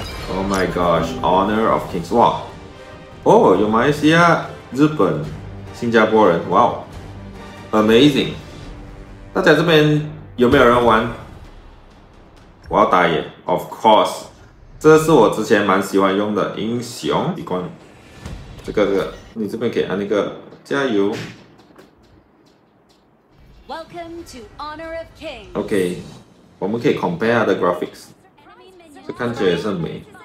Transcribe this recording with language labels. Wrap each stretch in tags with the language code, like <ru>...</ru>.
<zh>Oh my gosh, Honor of Kings， 哇，哦，有马来西亚、日本、新加坡人，哇 ，Amazing， 大家这边有没有人玩？我要打野 ，</zh> <en>Of course。</en> <zh>这是我之前蛮喜欢用的英雄，习惯这个，你这边可以按那个加油。</zh> <en>Welcome to Honor of Kings.</en> <zh>OK， 我们可以 compare 它的 graphics， 这看起来也是很美。</zh>